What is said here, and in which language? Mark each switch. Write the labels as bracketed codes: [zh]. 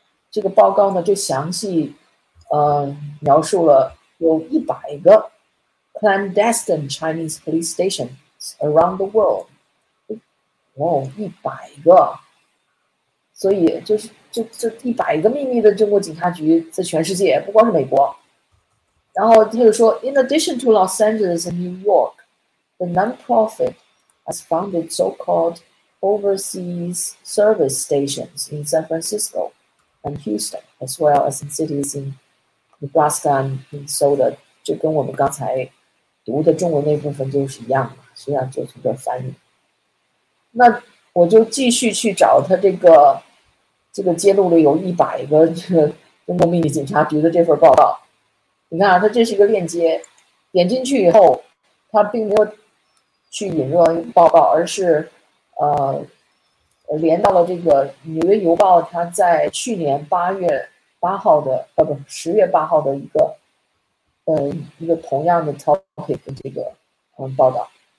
[zh] 这个报告呢，就详细描述了有100个 [en] clandestine Chinese police stations around the world。 [zh] 哦，100个，所以就是就100个秘密的中国警察局在全世界，不光是美国。然后他就说， [en] In addition to Los Angeles and New York, the nonprofit has founded so-called overseas service stations in San Francisco and Houston, as well as in cities in Nebraska and Minnesota。 [zh] 就跟我们刚才读的中文那部分就是一样嘛，实际上就是个翻译。那我就继续去找他这个揭露了有100个中国秘密警察局的这份报告。你看啊，它这是一个链接，点进去以后，它并没有去引入报告，而是连到了这个《纽约邮报》它在去年8月8号的不10月8号的一个同样的 topic 的这个报道。